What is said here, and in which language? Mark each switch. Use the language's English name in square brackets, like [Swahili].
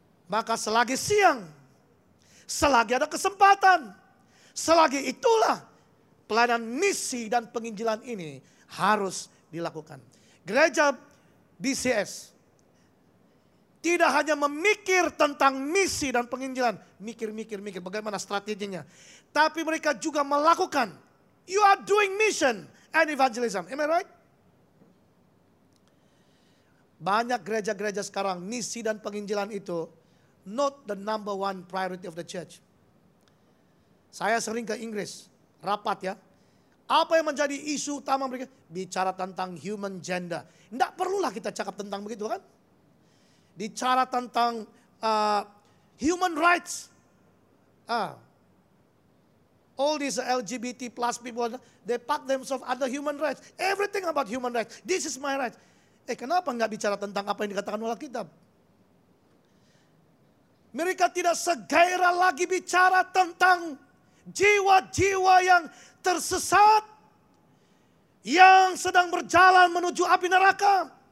[Indonesian] Maka selagi siang, selagi ada kesempatan, selagi itulah pelayanan misi dan penginjilan ini harus dilakukan. Gereja BCS tidak hanya memikir tentang misi dan penginjilan, mikir bagaimana strateginya, tapi mereka juga melakukan. [English] You are doing mission and evangelism, am I right? [Indonesian] Banyak gereja-gereja sekarang misi dan penginjilan itu [English] not the number one priority of the church. [Indonesian] Saya sering ke Inggris, rapat ya. Apa yang menjadi isu utama mereka? Bicara tentang human gender. Tidak perlulah kita cakap tentang begitu kan? Bicara tentang human rights. [English] All these LGBT plus people, they pack themselves under human rights. Everything about human rights. This is my right. [Indonesian] Kenapa enggak bicara tentang apa yang dikatakan oleh Alkitab? Mereka tidak segairah lagi bicara tentang jiwa-jiwa yang tersesat, yang sedang berjalan menuju api neraka.